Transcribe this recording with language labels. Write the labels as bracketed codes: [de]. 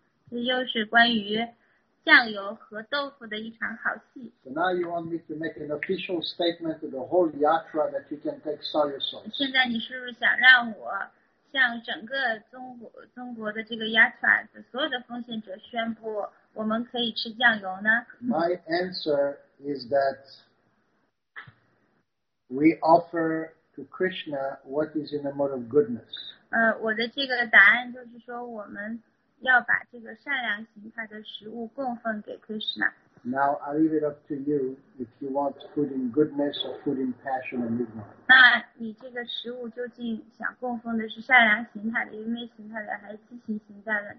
[zh] 这又是关于酱油和豆腐的一场好戏。 [en] So now you want me to make an official statement to the whole yatra that you can take soy sauce. [zh] 现在你是不是想让我向整个中国的这个 yatra 的所有的奉献者宣布，我们可以吃酱油呢？ [en] My answer is that we offer to Krishna what is in the mode of goodness. [zh] 我的这个答案就是说我们要把这个善良形态的食物供奉给 Krishna。 [en] Now I leave it up to you if you want food in goodness or food in passion and ignorance. [zh] 那你这个食物究竟想供奉的是善良形态的、愚昧形态的，还是畸形形态的？